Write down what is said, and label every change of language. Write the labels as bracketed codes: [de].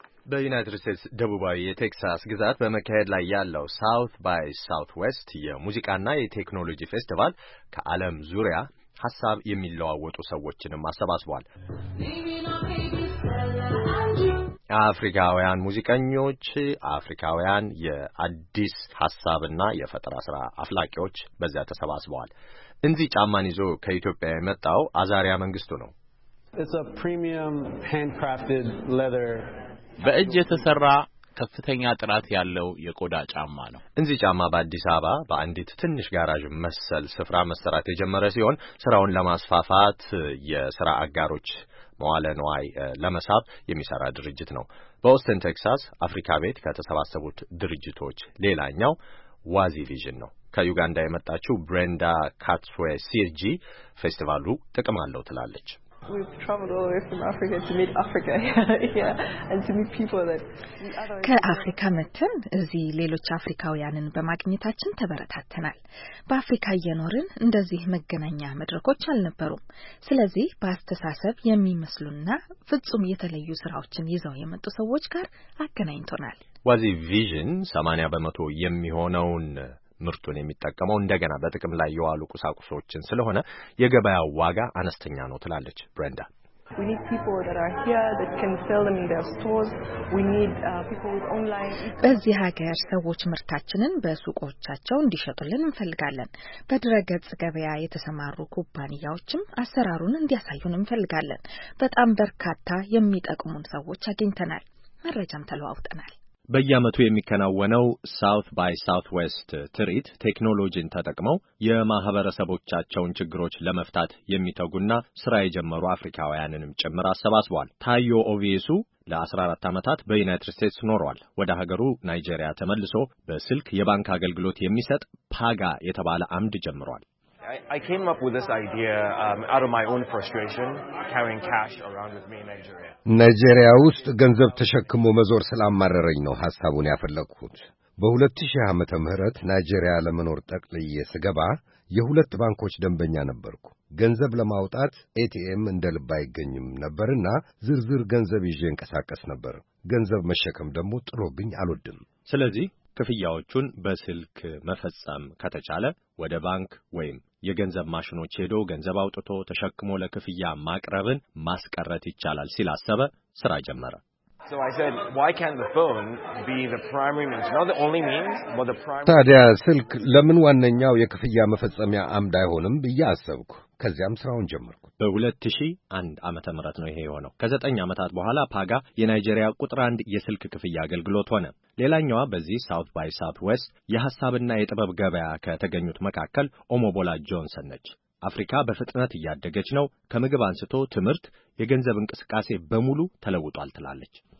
[am] በዩናይትድ ስቴትስ ደቡባዊ የቴክሳስ ግዛት በመካሄድ ላይ ያለው ሳውት ባይ ሳውት ዌስት የሙዚቃና የቴክኖሎጂ ፌስቲቫል ከዓለም ዙሪያ ሐሳብ የሚለዋወጡ ሰዎችንም አሰባስቧል። አፍሪካውያን ሙዚቀኞች፣ አፍሪካውያን የአዲስ ሐሳብና የፈጠራ ሥራ አፍላቂዎች በዚያ ተሰባስበዋል። እንዚህ ጫማን ይዞ ከኢትዮጵያ የመጣው አዛሪያ መንግስቱ ነው። [en] It's a premium handcrafted leather. [am] በእጅ የተሰራ ከፍተኛ ጥራት ያለው የቆዳ ጫማ ነው። እንዚህ ጫማ በአዲስ አበባ በአንዲት ትንሽ ጋራዥ መሰል ስፍራ መሰራት የጀመረ ሲሆን ስራውን ለማስፋፋት የሥራ አጋሮች መዋለ ንዋይ ለመሳብ የሚሰራ ድርጅት ነው። በኦስተን ቴክሳስ አፍሪካ ቤት ከተሰባሰቡት ድርጅቶች ሌላኛው ዋዚ ቪዥን ነው። ከዩጋንዳ የመጣችው ብሬንዳ ካትስዌ ሲርጂ ፌስቲቫሉ ጥቅም አለው ትላለች። [en] We've traveled all the way from Africa to meet Africa here and to meet people that [am] ከአፍሪካ መጥተን እዚህ ሌሎች አፍሪካውያንን በማግኘታችን ተበረታተናል። በአፍሪካ የኖርን እንደዚህ መገናኛ መድረኮች አልነበሩም። ስለዚህ በአስተሳሰብ የሚመስሉና ፍጹም የተለዩ ስራዎችን ይዘው የመጡ ሰዎች ጋር አገናኝቶናል። ዋዚ ቪዥን 80% የሚሆነውን ምርቱን የሚጠቀመው እንደገና በጥቅም ላይ የዋሉ ቁሳቁሶችን ስለሆነ የገበያው ዋጋ አነስተኛ ነው ትላለች ብራንዳ። [en] We need people that are here that can sell them in their stores. We need people with online. [am] በዚህ ሀገር ሰዎች ምርታችንን በሱቆቻቸው እንዲሸጡልን እንፈልጋለን። በድረገጽ ገበያ የተሰማሩ ኩባንያዎችም አሰራሩን እንዲያሳዩን እንፈልጋለን። በጣም በርካታ የሚጠቅሙን ሰዎች አግኝተናል። መረጃም ተለዋውጠናል። በየአመቱ የሚከናወነው ሳውት ባይ ሳውት ዌስት ትርኢት ቴክኖሎጂን ተጠቅመው የማህበረሰቦቻቸውን ችግሮች ለመፍታት የሚተጉና ስራ የጀመሩ አፍሪካውያንንም ጭምር አሰባስቧል። ታዮ ኦቪሱ ለ14 አመታት በዩናይትድ ስቴትስ ኖሯል። ወደ ሀገሩ ናይጄሪያ ተመልሶ በስልክ የባንክ አገልግሎት የሚሰጥ ፓጋ የተባለ አምድ ጀምሯል። [en] I came up with this idea out of my own frustration carrying cash around with me in Nigeria. [am] Nigeria ውስጥ ገንዘብ ተሸክሞ መዞር ስላማረረኝ ነው ሐሳቡን ያፈለኩት። በ2000 ዓመተ ምህረት ናይጄሪያ ለመኖር ጠቅልዬ ስገባ የሁለት ባንኮች ደንበኛ ነበርኩ። ገንዘብ ለማውጣት ኤቲኤም እንደልብ አይገኝም ነበርና ዝርዝር ገንዘብ ይዤ እንቀሳቀስ ነበር። ገንዘብ መሸከም ደግሞ ጥሎብኝ አልወድም። ስለዚህ ክፍያዎቹን በስልክ መፈጸም ከተቻለ ወደ ባንክ ወይም የገንዘብ ማሽኖች ሄዶ ገንዘብ አውጥቶ ተሸክሞ ለክፍያ ማቅረብን ማስቀረት ይቻላል ሲላሰበ ስራ ጀመረ። [en] So I said, why can't the phone be the primary means? Not the only means, but the primary means. [am] ታዲያ ስልክ ለምን ዋነኛው የክፍያ መፈጸሚያ አምድ አይሆንም ብዬ አሰብኩ። ከዚያም ስራውን ጀመርኩ። በ2001 ዓመተ ምህረት ነው ይሄ የሆነው። ከ9 ዓመታት በኋላ ፓጋ የናይጄሪያ ቁጥር 1 የስልክ ክፍያ አገልግሎት ሆነ። ሌላኛዋ በዚህ ሳውት ባይ ሳውት ዌስት የሐሳብና የጥበብ ገበያ ከተገኙት መካከል ኦሞቦላ ጆንሰን ነች። አፍሪካ በፍጥነት ያደገች ነው። ከምግብ አንስቶ ትምርት የገንዘብ እንቅስቃሴ በሙሉ ተለውጧል ትላለች።